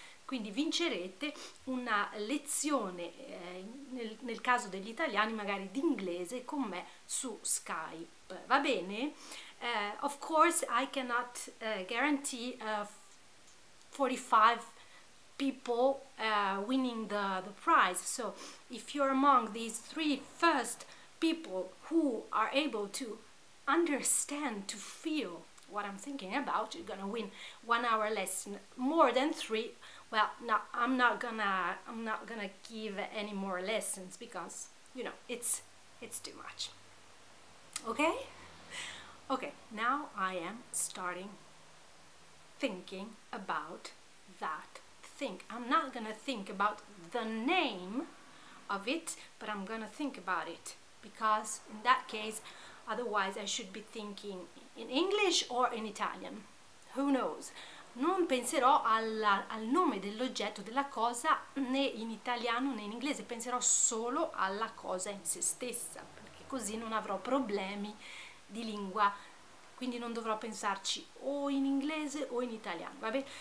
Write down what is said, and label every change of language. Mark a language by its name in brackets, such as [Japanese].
[Italian] Quindi vincerete una lezione, nel caso degli italiani, magari d'inglese, con me su Skype. Va bene? [English] Of course, I cannot guarantee 45 people winning the prize. So, if you're among these three first people who are able to understand, to feel what I'm thinking about, you're gonna win 1 hour lesson. More than three, well, no, I'm not gonna give any more lessons because, you know, it's too much. Okay? Okay, now I am starting thinking about that think. I'm not gonna think about the name of it, but I'm gonna think about it. Because in that case, otherwise I should be thinking in English or in Italian. Who knows? [Italian] Non penserò al nome dell'oggetto, della cosa, né in italiano né in inglese. Penserò solo alla cosa in se stessa, perché così non avrò problemi di lingua. Quindi non dovrò pensarci o in inglese o in italiano, va bene?